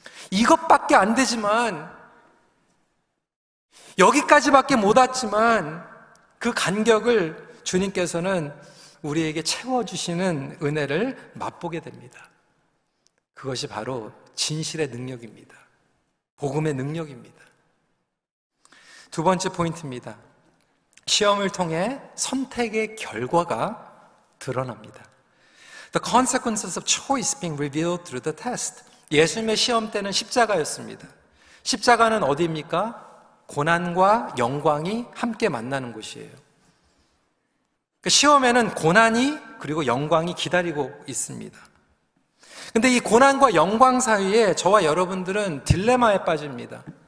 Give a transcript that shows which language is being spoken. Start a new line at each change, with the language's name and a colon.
Korean: 이것밖에 안 되지만, 여기까지밖에 못 왔지만, 그 간격을 주님께서는 우리에게 채워주시는 은혜를 맛보게 됩니다. 그것이 바로 진실의 능력입니다. 복음의 능력입니다. 두 번째 포인트입니다. 시험을 통해 선택의 결과가 드러납니다.
English: The consequences of choice being revealed through the test.
Korean: 예수님의 시험 때는 십자가였습니다. 십자가는 어디입니까? 고난과 영광이 함께 만나는 곳이에요. 시험에는 고난이 그리고 영광이 기다리고 있습니다. 근데 이 고난과 영광 사이에 저와 여러분들은 딜레마에 빠집니다.